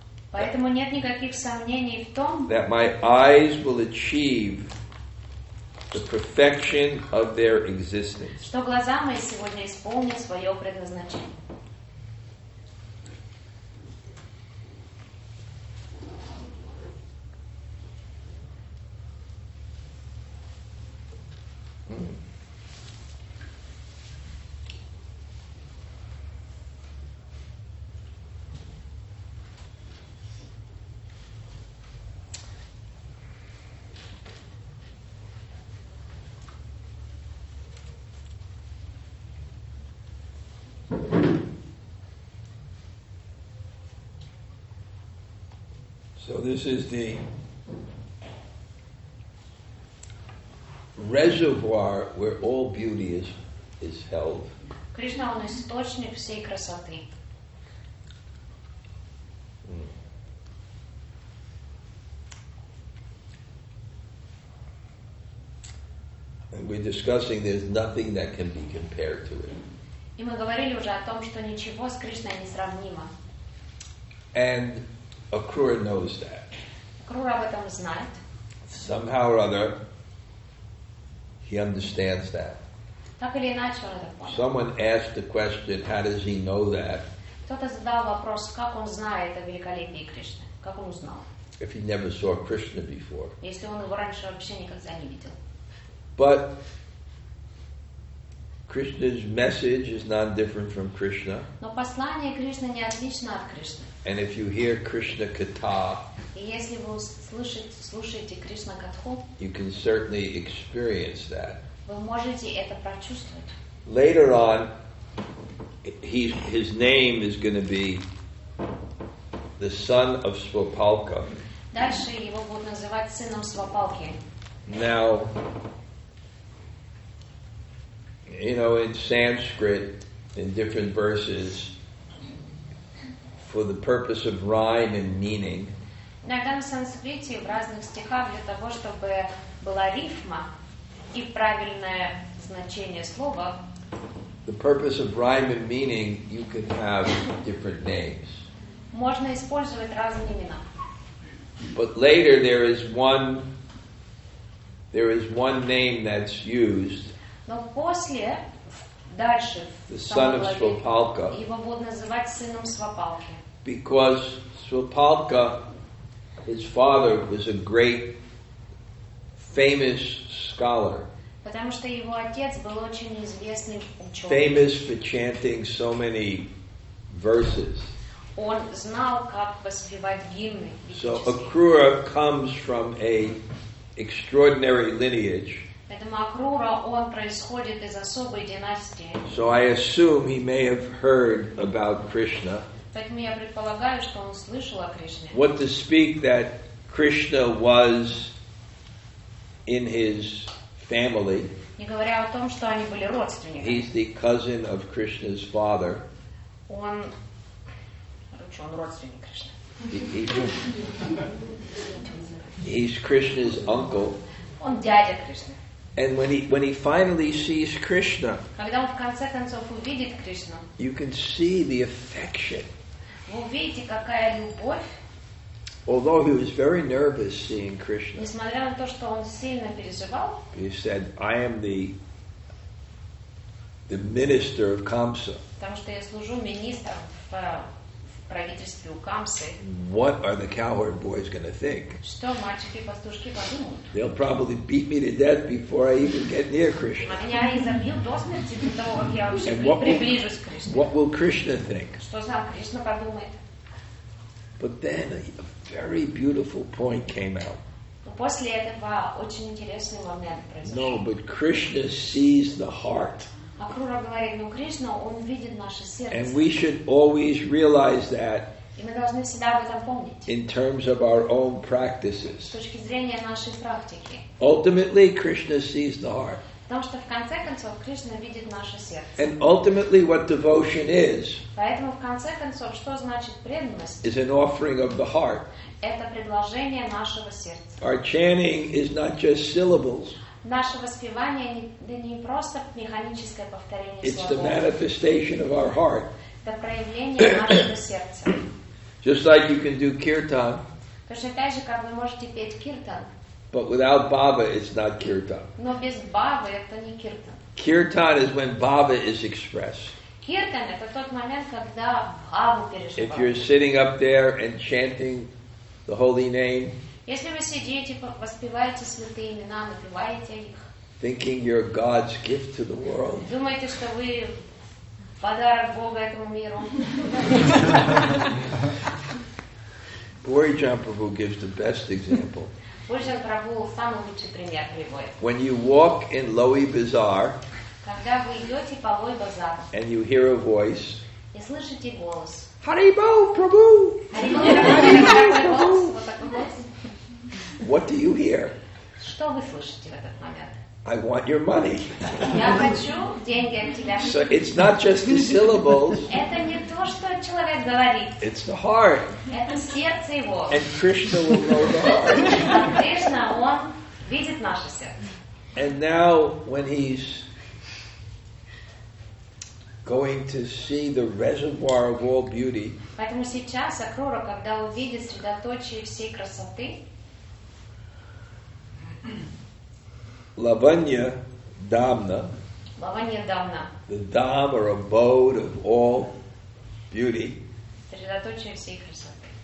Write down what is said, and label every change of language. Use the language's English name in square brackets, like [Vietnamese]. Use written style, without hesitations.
[Russian] Поэтому нет никаких сомнений в том, [English] that my eyes will achieve the perfection of their existence. [Russian] Что глаза мои сегодня исполнят свое предназначение. [English] So this is the reservoir where all beauty is held. [Russian] Кришна, он источник всей красоты. [English] And we're discussing there's nothing that can be compared to it. [Russian] И мы говорили уже о том, что ничего с Кришной не сравнимо. [English] And Акрура knows that. [Russian] Акрура об этом знает. [English] Somehow or other, he understands that. [Russian] Так или иначе, он это понял. [English] Someone asked the question, how does he know that? [Russian] Кто-то задал вопрос, как он знает о великолепии Кришны? Как он узнал? [English] If he never saw Krishna before. [Russian] Если он его раньше вообще никогда не видел. [English] But Krishna's message is not different from Krishna. [Russian] Но послание Кришны не отлично от Кришны. [English] And if you hear Krishna katha, [Russian] если вы слушаете Кришна катху, [English] you can certainly experience that. [Russian] Вы можете это прочувствовать. [English] Later on, his name is going to be the son of Svapalka. [Russian] Дальше его будут называть сыном Свапалки. [English] Now, you know, in Sanskrit, in different verses, for the purpose of rhyme and meaning. [Russian] Иногда в санскрите в разных стихах для того, чтобы была рифма и правильное значение слова. [English] The purpose of rhyme and meaning, you can have different names. [Russian] Можно использовать разные имена. [English] But later there is one name that's used. [Russian] Но после дальше [English] the son of Svapalka. [Russian] Его будут называть сыном Свапалки. [English] Because Svapalka, his father was a great famous scholar. [Russian] Потому что его отец был очень известный ученый. [English] Famous for chanting so many verses. [Russian] Он знал, как воспевать гимны. [English] So Акрура comes from a extraordinary lineage. [Russian] Поэтому Акрура, он происходит из особой династии. [English] So I assume he may have heard about Krishna. [Russian] Поэтому я предполагаю, что он слышал о Кришне. [English] What to speak that Krishna was in his family. [Russian] Не говоря о том, что они были родственниками. [English] He's the cousin of Krishna's father. [Russian] Он родственник Кришны. [English] He's Krishna's uncle. [Russian] Он дядя Кришны. [English] And when he finally sees Krishna, [Russian] когда он в конце концов увидит Кришну, [English] you can see the affection. [Russian] Вы увидите, какая любовь. [English] Although he was very nervous seeing Krishna, [Russian] несмотря на то, что он сильно переживал, [English] he said, "I am the minister of Kamsa." [Russian] Потому что я служу министром в правительстве у Камсы. [English] What are the cowherd boys going to think? [Russian] Что мальчики и пастушки подумают? [English] They'll probably beat me to death before I even get near Krishna. [Russian] Меня изобьют до смерти до того, как я вообще приближусь к Кришне. [English] What will Krishna think? [Russian] Что сам Кришна подумает? [English] But then a very beautiful point came out. [Russian] После этого очень интересный момент произошел. [English] No, but Krishna sees the heart. [Russian] Акрура говорит, но Кришна, он видит наше сердце. [English] And we should always realize that. [Russian] И мы должны всегда об этом помнить. [English] In terms of our own practices. [Russian] С точки зрения нашей практики. [English] Ultimately, Krishna sees the heart. [Russian] Потому что в конце концов Кришна видит наше сердце. [English] And ultimately, what devotion is? [Russian] Поэтому в конце концов, что значит преданность? [English] Is an offering of the heart. [Russian] Это предложение нашего сердца. [English] Our chanting is not just syllables. [Russian] Наше воспевание не просто механическое повторение слов. [English] It's the manifestation of our heart. [Russian] Это проявление нашего сердца. [English] Just like you can do kirtan. [Russian] Точно так же, как вы можете петь киртан. [English] But without Baba, it's not kirtan. [Russian] Но без Бабы это не киртан. [English] Kirtan is when Baba is expressed. [Russian] Киртан это тот момент, когда Бабу переживают. [English] If you're sitting up there and chanting the holy name, [Russian] если вы сидите, воспеваете святые имена, напеваете их, [English] thinking you're God's gift to the world, [Russian] думаете, что вы подарок Бога этому миру. [English] Бхуриджан Прабху gives the best example. [Russian] Бхуриджан Прабху самый лучший пример приводит. [English] When you walk in Lohi Bazaar, [Russian] когда вы идете по Лохи Базар, [English] and you hear a voice, [Russian] и слышите голос, [English] Харибо Прабху! [Russian] Харибо Прабху! [English] What do you hear? [Russian] Что вы слышите в этот момент? [English] I want your money. [Russian] Я хочу деньги от тебя. [English] So it's not just the syllables. [Russian] Это не то, что человек говорит. [English] It's the heart. [Russian] Это сердце его. [English] And Krishna will know the heart. [Russian] Кришна, он видит наше сердце. [English] And now when he's going to see the reservoir of all beauty. [Russian] Поэтому сейчас Акрура, когда увидит средоточие всей красоты, [Sanskrit] Lavanya Dhamna. Lavanya Dhamna. [English] The Dham or abode of all beauty. [Russian] Средоточие всей красоты.